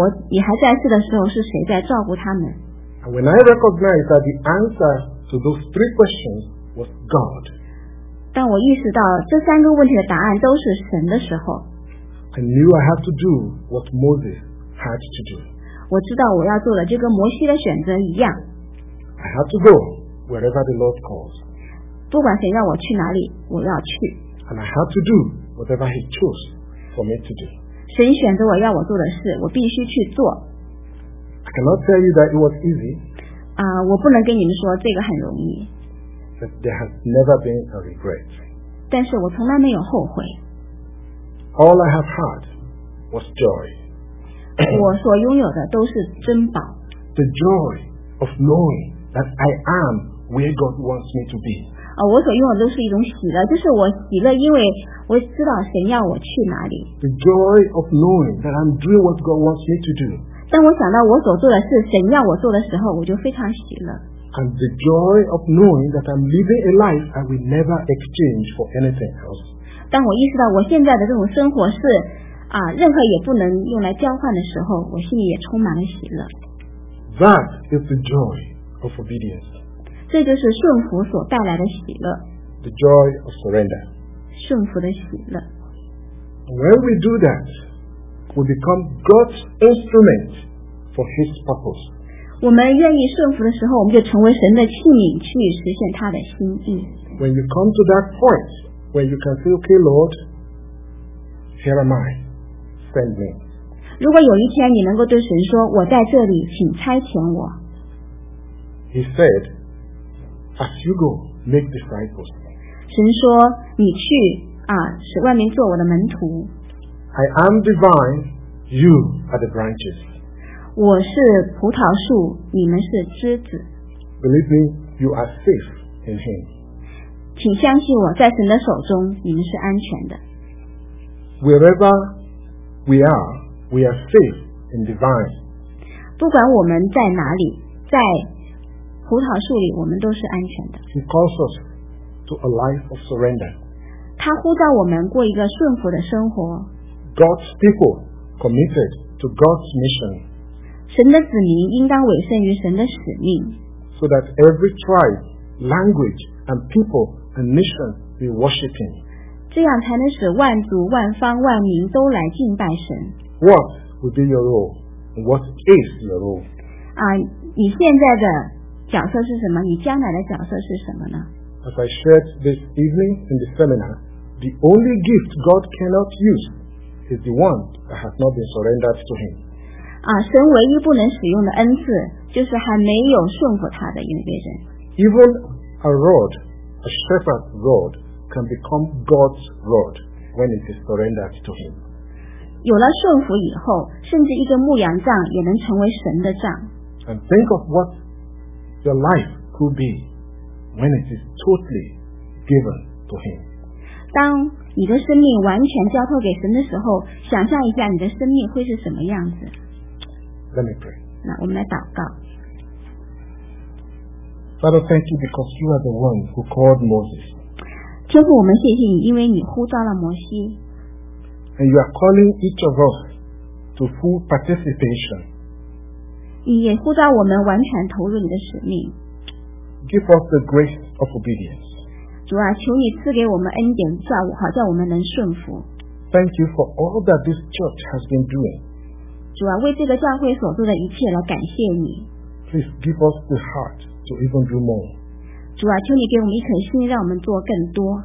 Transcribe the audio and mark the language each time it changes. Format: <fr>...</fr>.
<zh>你还在世的时候，是谁在照顾他们？</zh> <en>And when I recognized that the answer to those three questions was God,</en> <zh>当我意识到这三个问题的答案都是神的时候，</zh> <en>I knew I had to do what Moses had to do.</en> <zh>我知道我要做的就跟摩西的选择一样。</zh> <en>I had to go wherever the Lord calls.</en> <zh>不管谁让我去哪里，我要去。</zh> <en>And I have to do whatever He chose for me to do.</en> <zh>神选择我要我做的事，我必须去做。</zh> <en>I cannot tell you that it was easy.</en> <zh>我不能跟你们说这个很容易。</zh> <en>But there has never been a regret.</en> <zh>但是我从来没有后悔。</zh> <en>All I have had was joy.</en> <zh>我所拥有的都是珍宝。</zh> <en>The joy of knowing that I am where God wants me to be.</en> <zh>我所拥有的都是一种喜乐，就是我喜乐，因为我知道神要我去哪里。</zh> <en>The joy of knowing that I'm doing what God wants me to do.</en> <zh>当我想到我所做的是神要我做的时候，我就非常喜乐。</zh> <en>And the joy of knowing that I'm living a life I will never exchange for anything else.</en> <zh>当我意识到我现在的这种生活是任何也不能用来交换的时候，我心里也充满了喜乐。</zh> <en>That is the joy of obedience.</en> <zh>这就是顺服所带来的喜乐。</zh> <en>The joy of surrender.</en> <zh>顺服的喜乐。</zh> <en>When we do that, we become God's instrument for His purpose.</en> <zh>我们愿意顺服的时候，我们就成为神的器皿，去实现他的心意。</zh> <en>When you come to that point, when you can say, "Okay, Lord, here am I, send me."</en> <zh>如果有一天你能够对神说，我在这里，请差遣我。</zh> <en>He said. As you go, make disciples.</en> <zh>神说你去使万民做我的门徒。</zh> <en>I am the vine, you are the branches.</en> <zh>我是葡萄树，你们是枝子。</zh> <en>Believe me, you are safe in Him.</en> <zh>请相信我，在神的手中，你们是安全的。</zh> <en>Wherever we are safe in the vine.</en> <zh>不管我们在哪里，在葡萄树里我们都是安全的。</zh> <en>He calls us to a life of surrender.</en> <zh>他呼召我们过一个顺服的生活。</zh> <en>God's people committed to God's mission.</en> <zh>神的子民应当委身于神的使命。</zh> <en>So that every tribe, language, and people and nation be worshiping.</en> <zh>这样才能使万族万方万民都来敬拜神。</zh> <en>What would be your role? What is your role?</en> <zh>你现在的角色是什么？你将来的角色是什么呢？</zh> <en>As I shared this evening in the seminar, the only gift God cannot use is the one that has not been surrendered to Him.</en> <zh>神唯一不能使用的恩赐，就是还没有顺服他的那个人。</zh> <en>Even a rod, a shepherd's rod, can become God's rod when it is surrendered to Him.</en> <zh>有了顺服以后，甚至一个牧羊杖也能成为神的杖。</zh> <en>And think of what your life could be when it is totally given to Him.</en> <zh>当你的生命完全交托给神的时候，想象一下你的生命会是什么样子。</zh> <en>Let me pray.</en> <zh>那我们来祷告。</zh> <en>Father, thank you because you are the one who called Moses.</en> <zh>天父，我们谢谢你，因为你呼召了摩西。</zh> <en>And you are calling each of us to full participation.</en> <zh>你也呼召我们完全投入你的使命。</zh> <en>Give us the grace of obedience.</en> <zh>主啊，求你赐给我们恩典，好叫我们能顺服。</zh> <en>Thank you for all that this church has been doing.</en> <zh>主啊，为这个教会所做的一切来感谢你。</zh> <en>Please give us the heart to even do more.</en> <zh>主啊，求你给我们一颗心，让我们做更多。</zh>